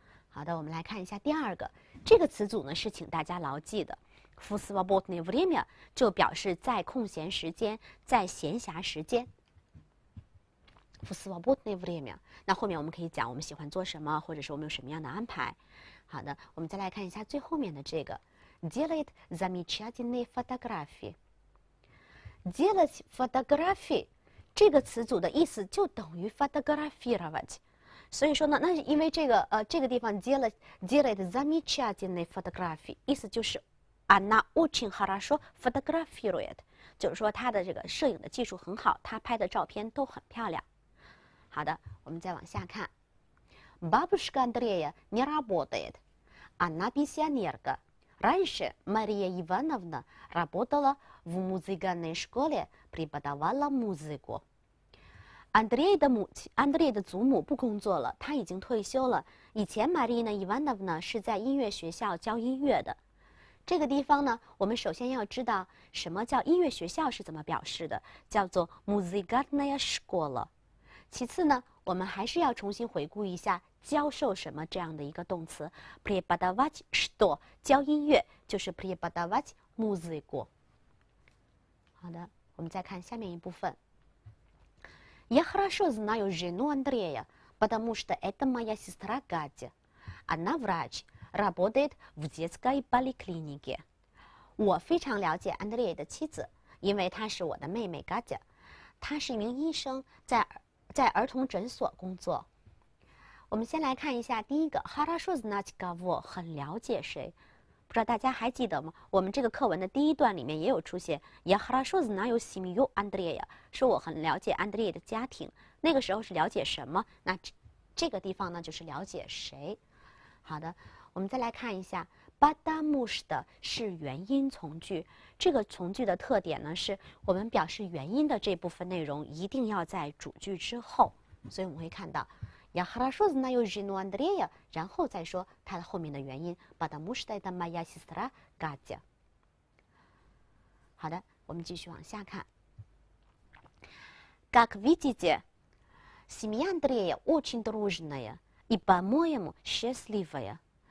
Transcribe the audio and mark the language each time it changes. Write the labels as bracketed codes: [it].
[zh] 好的，我们来看一下第二个，这个词组呢是请大家牢记的 ， [ru] fusvabotne vremya [zh] 就表示在空闲时间，在闲暇时间。 [ru] fusvabotne vremya， [zh] 那后面我们可以讲我们喜欢做什么，或者是我们有什么样的安排。好的，我们再来看一下最后面的这个。 [ru] делает замечательные фотографии. делать фотографии [zh] 这个词组的意思就等于 [ru] фотографировать. [zh] 所以说呢，那因为这个地方 [ru] делает замечательные фотографии， [zh] 意思就是 [ru] она очень хорошо фотографирует， [zh] 就是说她的这个摄影的技术很好，她拍的照片都很漂亮。好的，我们再往下看。 [ru] бабушка Андрея не работает， она пенсионерка。 Раньше Мария Ивановна работала в музыкальной школе, преподавала музыку. [zh] Андрей的祖母不工作了，他已经退休了。以前 Марина Ивановна 是在音乐学校教音乐的。这个地方呢，我们首先要知道什么叫音乐学校是怎么表示的，叫做 [ru] музыкальная школа。 [zh] 其次呢，我们还是要重新回顾一下教授什么这样的一个动词 ， [ru] преподавать что [zh] 教音乐就是 [ru] преподавать музыку。 [zh] 好的，我们再看下面一部分。 [ru] Я хорошо знаю жену Андрея, потому что это моя сестра Катя. Она врач, работает в детской поликлинике. [zh] 我非常了解安德烈的妻子，因为她是我的妹妹 Катя， 她是一名医生，在儿童诊所工作。我们先来看一下第一个 ， [ru] хорошо знать кого [zh] 很了解谁，不知道大家还记得吗？我们这个课文的第一段里面也有出现 ， [ru] я хорошо знаю семью Андрея， [zh] 说我很了解安德烈的家庭。那个时候是了解什么？那这个地方呢，就是了解谁。好的，我们再来看一下 ， [ru] потому что [zh] 是原因从句。这个从句的特点呢，是我们表示原因的这部分内容一定要在主句之后，所以我们会看到。 [ru] Я хорошо знаю жену Андрея， [zh] 然后再说他的后面的原因 [ru] ，потому что это моя сестра Катя。 [zh] 好的，我们继续往下看。 [ru] Как видите, семья Андрея очень дружная и, по-моему, счастливая.